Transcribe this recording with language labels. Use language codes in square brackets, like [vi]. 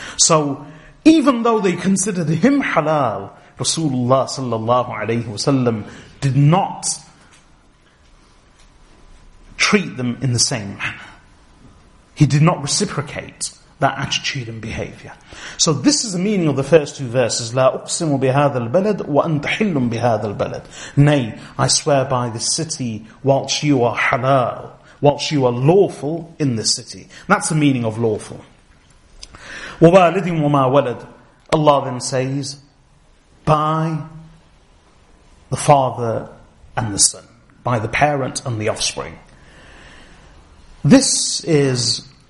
[en] So even though they considered him halal, Rasulullah sallallahu alayhi wasallam did not treat them in the same manner. He did not reciprocate that attitude and behavior. So this is the meaning of the first two verses, [ar] لا أقسم بهذا البلد [en] وأنت حل بهذا البلد. Nay, I swear by this city whilst you are halal, whilst you are lawful in this city. That's the meaning of lawful. [ar] ووالد وما ولد. [en] Allah then says, by the father and the son, by the parent and the offspring. This is